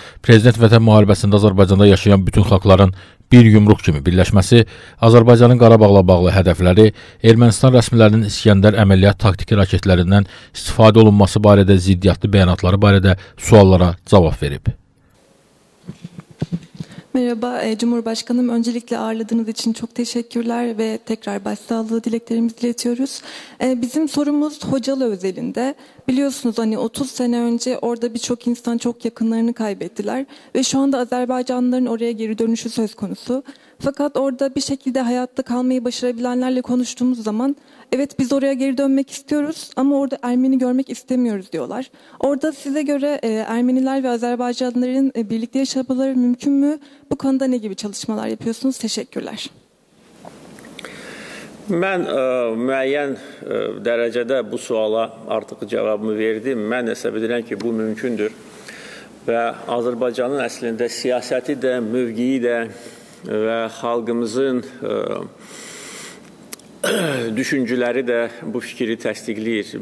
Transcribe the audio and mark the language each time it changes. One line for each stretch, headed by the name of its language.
Azerbaijani: Prezident vətən müharibəsində Azərbaycanda yaşayan bütün xalqların bir yumruq kimi birləşməsi, Azərbaycanın Qarabağla bağlı hədəfləri, Ermənistan rəsmilərinin İskəndər əməliyyat taktiki raketlərindən istifadə olunması barədə ziddiyyatlı bəyanatları barədə suallara cavab verib.
Turkish: Merhaba Cumhurbaşkanım. Öncelikle ağırladığınız için çok teşekkürler ve tekrar başsağlığı dileklerimizi iletiyoruz. Bizim sorumuz Hocalı özelinde. Biliyorsunuz hani 30 sene önce orada birçok insan çok yakınlarını kaybettiler ve şu anda Azerbaycanlıların oraya geri dönüşü söz konusu. Fakat orada bir şekilde hayatta kalmayı başarabilenlerle konuştuğumuz zaman evet biz oraya geri dönmek istiyoruz ama orada Ermeni görmek istemiyoruz diyorlar. Orada size göre Ermeniler ve Azerbaycanlıların birlikte yaşamaları mümkün mü? Bu konuda ne gibi çalışmalar yapıyorsunuz? Teşekkürler.
Azerbaijani: Mən müəyyən dərəcədə bu suala artıq cavabımı verdim. Mən isə bilirəm ki, bu mümkündür. Və Azərbaycanın əslində siyasəti də, mövqeyi də və xalqımızın düşüncələri də bu fikri təsdiqləyir.